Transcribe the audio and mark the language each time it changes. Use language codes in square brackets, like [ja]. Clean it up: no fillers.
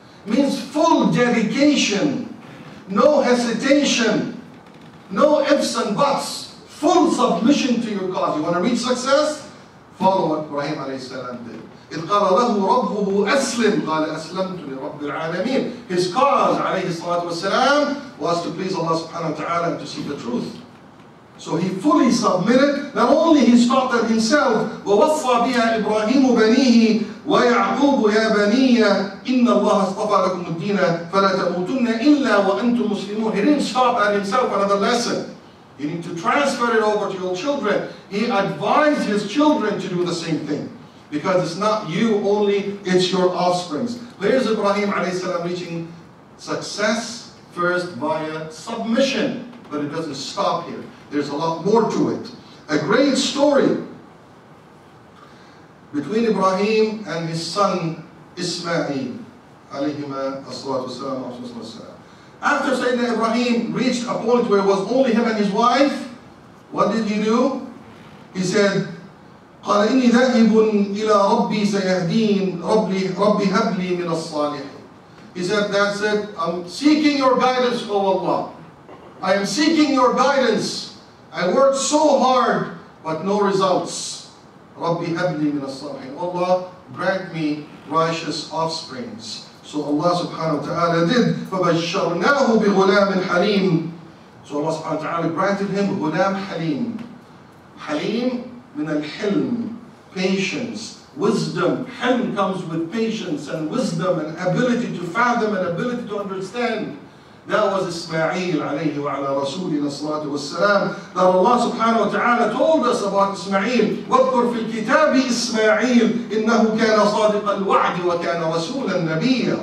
[en] Means full dedication, no hesitation, no ifs and buts, full submission to your cause. You want to reach success? Follow what Ibrahim alayhi salam did. [ar] إِذْ قَالَ لَهُ رَبُّهُ أَسْلِمْ قَالَ أَسْلَمْتُ لِرَبِّ الْعَالَمِينَ. [en] His cause [ar] عليه الصلاة والسلام [en] was to please Allah subhanahu wa ta'ala and to see the truth. So he fully submitted. Not only he started himself, [ar] وَوَصَّى بِهَا إِبْرَاهِيمُ بَنِيهِ وَيَعْقُوبُ يَا بَنِيَّ إِنَّ اللَّهَ اصْطَفَى لَكُمُ الدِّينَ فَلَا تَمُوتُنَّ إِلَّا وَأَنْتُمْ مُسْلِمُونَ. [en] He didn't stop at himself. Another lesson. You need to transfer it over to your children. He advised his children to do the same thing. Because it's not you only, it's your offsprings. Where is Ibrahim alayhi salam reaching success? First via submission. But it doesn't stop here. There's a lot more to it. A great story between Ibrahim and his son Ismail alayhima as-salatu wasalam wa rahmatullahi wa sallam. After Sayyidina Ibrahim reached a point where it was only him and his wife, what did he do? He said, [ar] قال إني ذاهب إلى ربي سيهدين ربي هب لي من الصالحين. [en] He said, that's it. I'm seeking your guidance, O Allah. I am seeking your guidance. I worked so hard, but no results. [ar] ربي هب لي من الصالحين. [en] Allah, grant me righteous offsprings. So Allah subhanahu wa ta'ala did. [ar] فبشرناه بغلام حليم. [en] So Allah subhanahu wa ta'ala granted him [ar] غلام حليم. حليم من الحلم, [en] patience, wisdom. حلم comes with patience and wisdom and ability to fathom and ability to understand. That was Ismail alayhi wa ala rasulina salatu wa salam. That Allah subhanahu wa ta'ala told us about Ismail. [ar] وَذْكُرْ فِي الْكِتَابِ إِسْمَعِيلِ إِنَّهُ كَانَ صَادِقَ الْوَعْدِ وَكَانَ رَسُولًا نَبِيًّا.